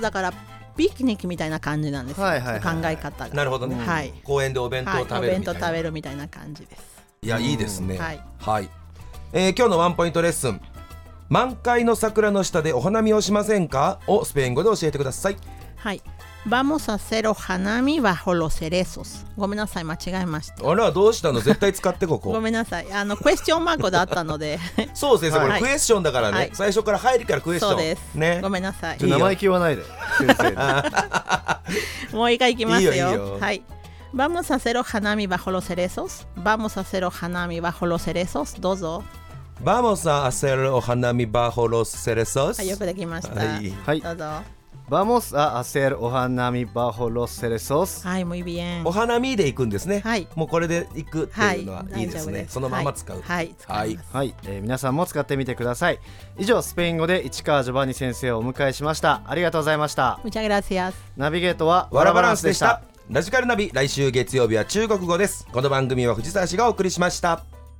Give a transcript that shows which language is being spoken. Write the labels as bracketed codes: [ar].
[ja] だからピクニックみたいな感じなんですよ、はいはいはい、考え方が。なるほどね、うん、はい、公園でお弁当食べるみたいな、はい、お弁当食べるみたいな感じです。いや、いいですね、はい、はい、今日のワンポイントレッスン、満開の桜の下でお花見をしませんかをスペイン語で教えてください。 [es] はい、Vamos a hacer ohanami bajo los cerezos. [ja] ごめんなさい、間違えました。あら、どうしたの、絶対使ってここ。ごめんなさい、あの、クエスチョンマークだったのでそう、先生、はい、これクエスチョンだからね、はい、最初から入りからクエスチョン。そうです、ね、ごめんなさい。じゃ、生意気言わないで先生もう一回いきますよ。いいよ、いいよ、はい。 [es] Vamos a hacer ohanami bajo los cerezos. Vamos a hacer ohanami bajo los cerezos. [ja] どうぞ。 [es] Vamos a hacer ohanami bajo los cerezos. [ja] よくできました。はい、はい、どうぞ。 [es] Vamos a hacer お花見 bajo los cerezos。 [ja] はい、 [es] muy bien。 [ja] お花見で行くんですね、はい、もうこれで行くっていうのはいいですね、はい、そのまま使う、はい、はい、はい、皆さんも使ってみてください。以上、スペイン語で市川ジョバンニ先生をお迎えしました。ありがとうございました。 [es] Muchas gracias。 [ja] ナビゲートはワラバランスでした。ラジカルナビ、来週月曜日は中国語です。この番組は藤沢市がお送りしました。